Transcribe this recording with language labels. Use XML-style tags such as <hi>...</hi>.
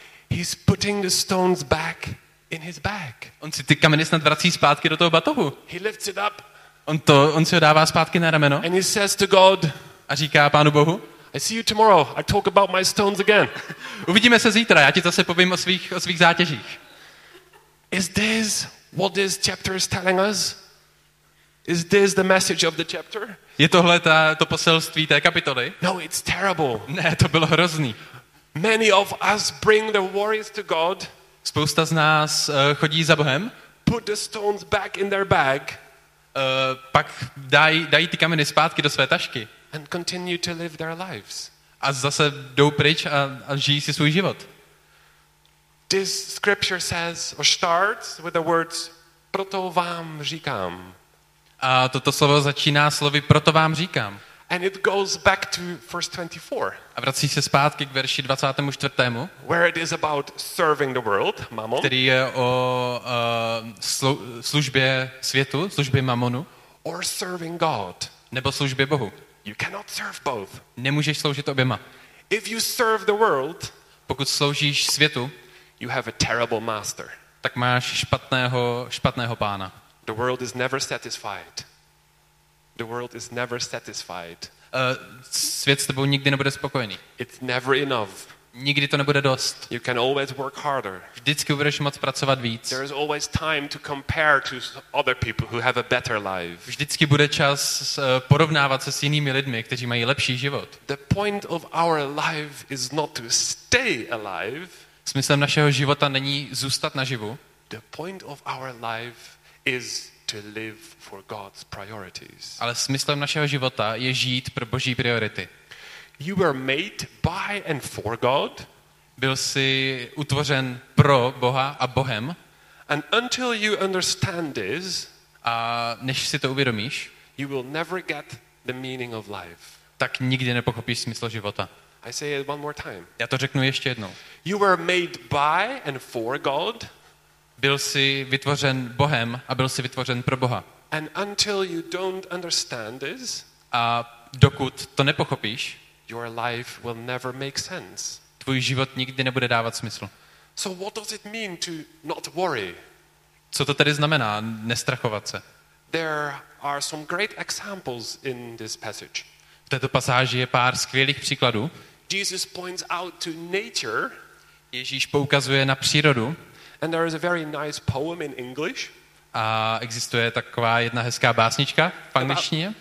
<en>He's putting the stones back in his bag.</en> <cs>On si ty kameny snad vrací zpátky do toho batohu.</cs> <en>He lifts it up.</en> <cs>On si ho dává zpátky na rameno.</cs> <en>And he says to God.</en> <cs>A říká Pánu Bohu.</cs> <en>I see you tomorrow. I talk about my stones again.</en> <cs>Uvidíme se zítra. Já ti zase povím o svých zátěžích.</cs> <en>Is this what this chapter is telling us? Is this the message of the chapter?</en> <cs>Je tohle to poselství té kapitoly?</cs> <en>No, it's terrible.</en> <cs>Ne, to bylo hrozný.</cs> <en>Many of us bring their worries to God.</en> <cs>Spousta z nás chodí za Bohem.</cs> <en>Put the stones back in their bag.</en> <cs>Pak dají ty kameny zpátky do své tašky.</cs> <en>And continue to live their lives.</en> <cs>A zase jdou pryč a žijí si svůj život.</cs> <en>This scripture says or starts with the words</en> <cs>proto vám říkám. A toto slovo začíná slovy proto vám říkám.</cs> <en>And it goes back to verse 24.</en> <cs>A vrací se zpátky k verši 24.</cs> <en>Where it is about serving the world, mammon.</en> <cs>Který je o službě světu, službě mamonu.</cs> <en>Or serving God.</en> <cs>Nebo službě Bohu.</cs> <en>You cannot serve both.</en> <cs>Nemůžeš sloužit oběma.</cs> <en>If you serve the world,</en> <cs>pokud sloužíš světu,</cs> <en>you have a terrible master.</en> <cs>Tak máš špatného pána.</cs> <en>The world is never satisfied. The world is never satisfied.</en> <cs>Svět s tebou nikdy nebude spokojený.</cs> <en>It's never enough.</en> <cs>Nikdy to nebude dost.</cs> <en>You can always work harder.</en> <cs>Vždycky budeš moc pracovat víc.</cs> <en>There is always time to compare to other people who have a better life.</en> <cs>Vždycky bude čas porovnávat se s jinými lidmi, kteří mají lepší život.</cs> <en>The point of our life is not to stay alive.</en> <cs>Smyslem našeho života není zůstat naživu.</cs> <en>The point of our life is to live for God's priorities.</en> <cs>Ale smyslem našeho života je žít pro Boží priority.</cs> <en>You were made by and for God.</en> <cs>Byl jsi utvořen pro Boha a Bohem.</cs> <en>And until you understand this,</en> <cs>a než si to uvědomíš,</cs> <en>you will never get the meaning of life.</en> <cs>Tak nikdy nepochopíš smysl života.</cs> <en>I say it one more time.</en> <cs>Já to řeknu ještě jednou.</cs> <en>You were made by and for God.</en> <cs>Byl jsi vytvořen Bohem a byl jsi vytvořen pro Boha.</cs> <en>And until you don't understand this,</en> <cs>a dokud to nepochopíš,</cs> <en>your life will never make sense.</en> <cs>Tvůj život nikdy nebude dávat smysl.</cs> <en>So what does it mean to not worry?</en> <cs>Co to tedy znamená nestrachovat se?</cs> <en>There are some great examples in this passage.</en> <cs>V této pasáži je pár skvělých příkladů.</cs> <en>Jesus points out to nature.</en> <cs>Ježíš poukazuje na přírodu.</cs> <en>And there is a very nice poem in English.</en> <cs>A existuje taková jedna hezká básnička v angličtině.</cs>